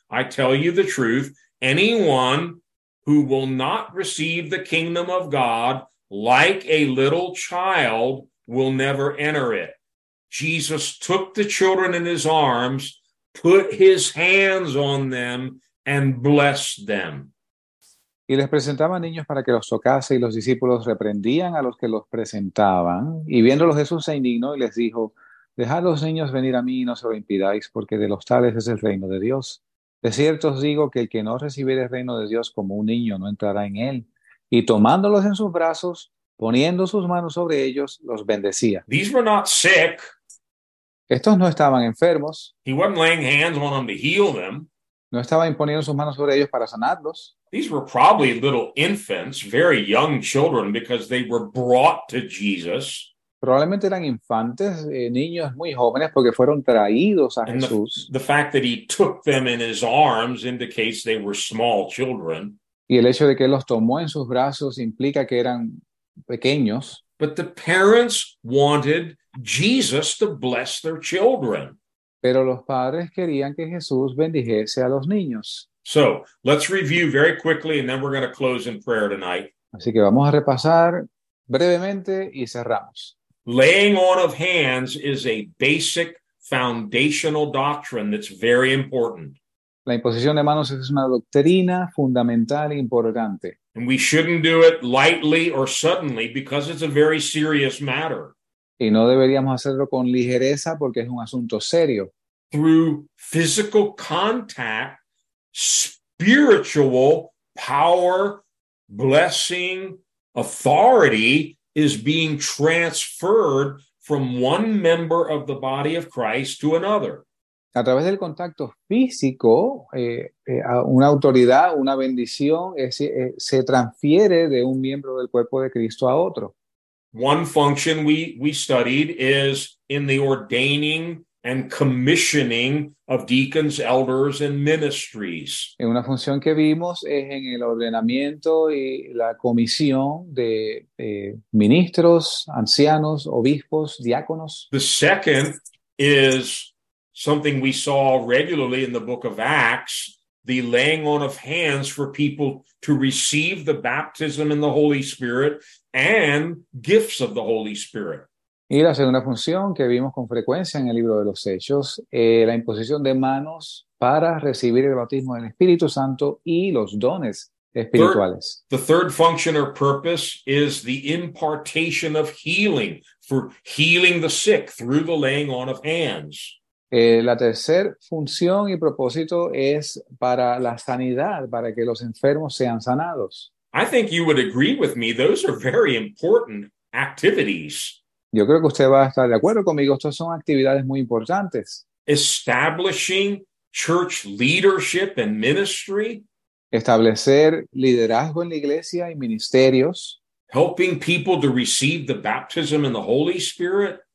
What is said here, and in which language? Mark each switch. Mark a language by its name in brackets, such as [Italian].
[English] I tell you the truth, anyone who will not receive the kingdom of God like a little child will never enter it. Jesus took the children in his arms, put his hands on them, and blessed them. [Spanish] Y les presentaban niños para que los tocase, y los discípulos reprendían a los que los presentaban. Y viéndolos Jesús se indignó y les dijo, dejad los niños venir a mí y no se lo impidáis, porque de los tales es el reino de Dios. De cierto os digo que el que no recibiere el reino de Dios como un niño no entrará en él. Y tomándolos en sus brazos, poniendo sus manos sobre ellos, los bendecía. [English] These were not sick. [Spanish] Estos no estaban enfermos. [English] He wasn't laying hands on them to heal them. [Spanish] No estaba imponiendo sus manos sobre ellos para sanarlos. [English] These were probably little infants, very young children, because they were brought to Jesus. [Spanish] Probablemente eran infantes, niños muy jóvenes, porque fueron traídos a Jesús. [English] The fact that he took them in his arms indicates they were small children. [Spanish] Y el hecho de que él los tomó en sus brazos implica que eran pequeños. [English] But the parents wanted Jesus to bless their children. [Spanish] Pero los padres querían que Jesús bendijese a los niños. [English] So, let's review very quickly and then we're going to close in prayer tonight. [Spanish] Así que vamos a repasar brevemente y cerramos. [English] Laying on of hands is a basic foundational doctrine that's very important. [Spanish] La imposición de manos es una doctrina fundamental e importante. [English] And we shouldn't do it lightly or suddenly because it's a very serious matter. [Spanish] Y no deberíamos hacerlo con ligereza porque es un asunto serio. [English] Through physical contact, spiritual power, blessing, authority is being transferred from one member of the body of Christ to another. [Spanish] A través del contacto físico, una autoridad, una bendición, se transfiere de un miembro del cuerpo de Cristo a otro. [English] One function we studied is in the ordaining and commissioning of deacons, elders, and ministries. [Spanish] En una función que vimos es en el ordenamiento y la comisión de ministros, ancianos, obispos, diáconos. [English] The second is something we saw regularly in the book of Acts, the laying on of hands for people to receive the baptism in the Holy Spirit and gifts of the Holy Spirit. [Spanish] Y la segunda función que vimos con frecuencia en el libro de los Hechos, la imposición de manos para recibir el bautismo del Espíritu Santo y los dones [English] Third, [Spanish] espirituales. [English] the third function or purpose is the impartation of healing, for healing the sick through the laying on of hands. [Spanish] La tercera función y propósito es para la sanidad, para que los enfermos sean sanados. [English] I think you would agree with me, those are very important activities. [Spanish] Yo creo que usted va a estar de acuerdo conmigo, estas son actividades muy importantes. [English] Establishing church leadership and ministry. [Spanish] Establecer liderazgo en la iglesia y ministerios. [English] Helping people to receive the baptism in the Holy Spirit.